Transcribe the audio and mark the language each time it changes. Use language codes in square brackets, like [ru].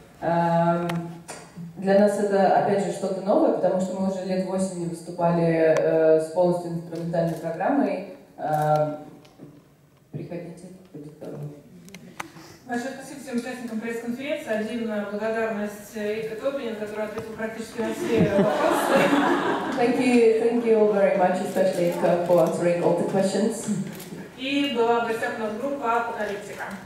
[ru] Для нас это, опять же, что-то новое, потому что мы уже лет 8 не выступали с полностью инструментальной программой. Приходите, будет здорово. Большое спасибо всем участникам пресс-конференции. Отдельная благодарность Ика Топлинен, который ответил практически на все вопросы. [en] Thank you very much, especially Ika, for answering all the questions. [ru] И была в гостях у нас группа «Апокалиптика».